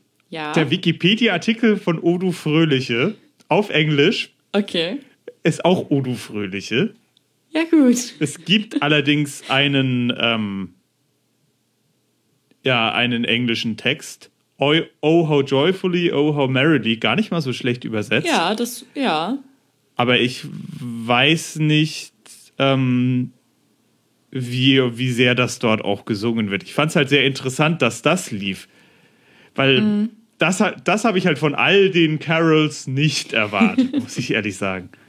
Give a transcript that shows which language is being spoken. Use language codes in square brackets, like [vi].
[de] ja. Der Wikipedia-Artikel von O du Fröhliche auf Englisch ist auch O du Fröhliche. Ja, gut. Es gibt allerdings einen, einen englischen Text. [en] Oh, how joyfully, oh, how merrily. [de] Gar nicht mal so schlecht übersetzt. Ja, das, ja. Aber ich weiß nicht, wie sehr das dort auch gesungen wird. Ich fand es halt sehr interessant, dass das lief. Weil das habe ich halt von all den Carols nicht erwartet, muss ich ehrlich sagen.